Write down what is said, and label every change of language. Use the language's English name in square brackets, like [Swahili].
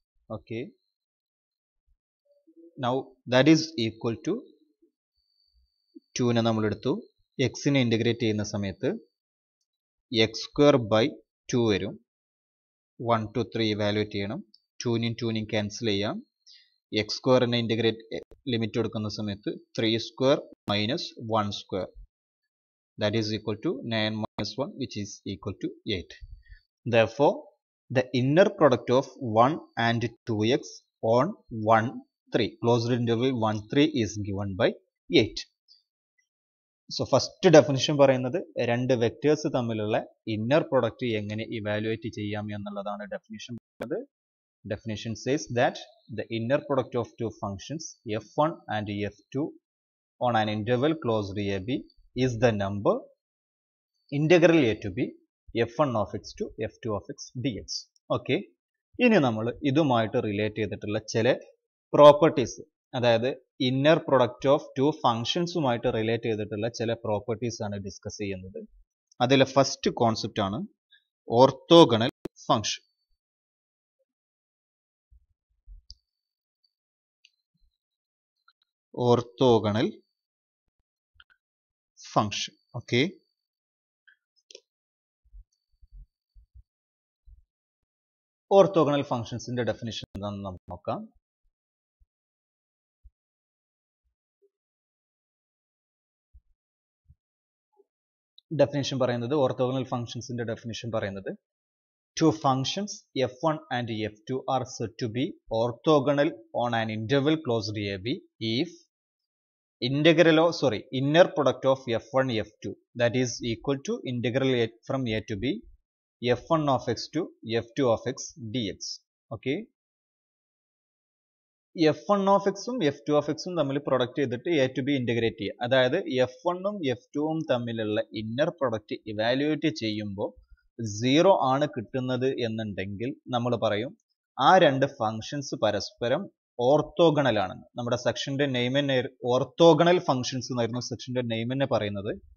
[Malayalam] Okay, [English] now that is equal to [Malayalam] ടുവിനെ നമ്മളെടുത്തു, എക്സിനെ integrate ചെയ്യുന്ന സമയത്ത് X square by two വരും. One two three evaluate ചെയ്യണം, ടുവിനെയും ടുവിനെയും cancel ചെയ്യാം. X സ്ക്വയറിനെ integrate limit എടുക്കുന്ന സമയത്ത് three square minus one square, [English] That is equal to nine minus one which is equal to eight. Therefore, the inner product of 1 and 2x on 1, 3, closed interval 1, 3 is given by 8. [Malayalam] So, first definition പറയുന്നது, രണ്ട് vectors തമ്മിലുള്ള inner product എങ്ങനെ evaluate ചെയ്യാം എന്നുള്ളതാണ് definition പറയുന്നது. [English] Definition says that the inner product of two functions f1 and f2 on an interval closed AB is the number integral A to B F one of X to F two of X D X. [Malayalam] Okay, ഇനി നമ്മൾ ഇതുമായിട്ട് relate ചെയ്തിട്ടുള്ള ചില properties, അതായത് inner product of two ഫംഗ്ഷൻസുമായിട്ട് relate ചെയ്തിട്ടുള്ള ചില properties ആണ് discuss ചെയ്യുന്നത്. അതിൽ ഫസ്റ്റ് കോൺസെപ്റ്റ് ആണ് orthogonal function. Orthogonal function, okay, orthogonal ഫംഗ്ഷൻസിന്റെ definition എന്താണെന്ന് നമുക്ക് നോക്കാം. ഡെഫിനിഷൻ പറയുന്നത്, ഓർത്തോഗണൽ ഫംഗ്ഷൻസിന്റെ ഡെഫിനിഷൻ പറയുന്നത്, [English] Two functions F one and F two are said to be orthogonal on an interval closed A B if integral of, sorry, inner product of f1 f2, that is equal to integral from a to b f1 of x to f2 of x dx. [Malayalam] Okay, f1 of x ഉം f2 of x ഉം തമ്മിൽ product ചെയ്തിട്ട് a to b integrate ചെയ്യുക. അതായത് f1 ഉം f2 ഉം തമ്മിലുള്ള inner product evaluate ചെയ്യുമ്പോൾ സീറോ ആണ് കിട്ടുന്നത് എന്നുണ്ടെങ്കിൽ നമ്മൾ പറയും ആ രണ്ട് ഫംഗ്ഷൻസ് പരസ്പരം ഓർത്തോഗണൽ ആണെന്ന്. നമ്മുടെ സെക്ഷന്റെ നെയിം തന്നെ ഓർത്തോഗണൽ ഫംഗ്ഷൻസ് എന്നായിരുന്നു സെക്ഷന്റെ നെയിം തന്നെ പറയുന്നത്.